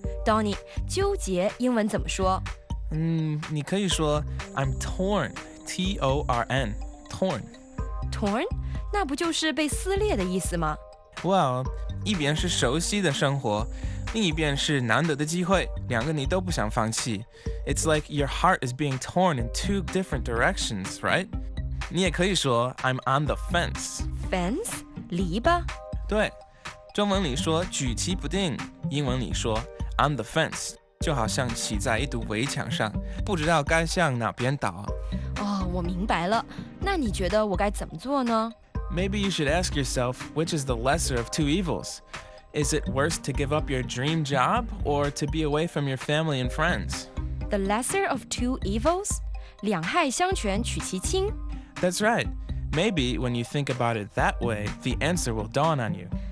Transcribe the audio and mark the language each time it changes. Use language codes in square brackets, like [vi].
[zh] Donnie， 纠结英文怎么说？你可以说 [en] I'm torn, T-O-R-N, torn. Torn? [zh] 那不就是被撕裂的意思吗？ Well, 一边是熟悉的生活，另一边是难得的机会，两个你都不想放弃。 [en] It's like your heart is being torn in two different directions, right? [zh] 你也可以说 [en] I'm on the fence. Fence? 篱笆? [zh] 对，中文里说举棋不定，英文里说 [en] on the fence， [zh] 就好像骑在一堵围墙上，不知道该向哪边倒。哦，我明白了。那你觉得我该怎么做呢？ [en] Maybe you should ask yourself which is the lesser of two evils. Is it worse to give up your dream job or to be away from your family and friends? The lesser of two evils? [zh] 两害相权取其轻? [en] That's right. Maybe when you think about it that way, the answer will dawn on you.